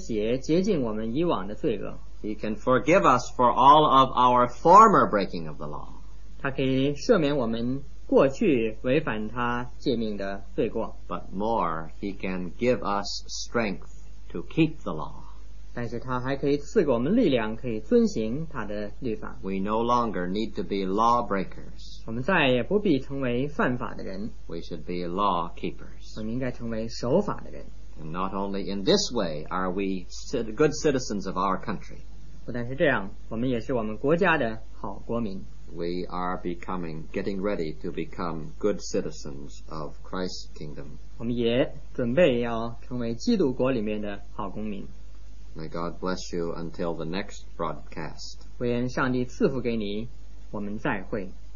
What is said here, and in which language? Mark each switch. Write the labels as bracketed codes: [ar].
[zh] 所以他能够借着他所流出来的血洁净我们以往的罪恶。 [en] He can forgive us for all of our former breaking of the law. [zh] 他可以赦免我们过去违反他诫命的罪过。 [en] But more, he can give us strength to keep the law. [zh] 但是他还可以赐给我们力量可以遵行他的律法。 [en] We no longer need to be lawbreakers. [zh] 我们再也不必成为犯法的人。 [en] We should be lawkeepers. [zh] 我们应该成为守法的人。 [en] And not only in this way are we good citizens of our country. [zh] 不但是这样, 我们也是我们国家的好国民。 [en] We are getting ready to become good citizens of Christ's kingdom. [zh] 我们也准备要成为基督国里面的好公民。 [en] May God bless you until the next broadcast. [zh] 愿上帝赐福给你，我们再会。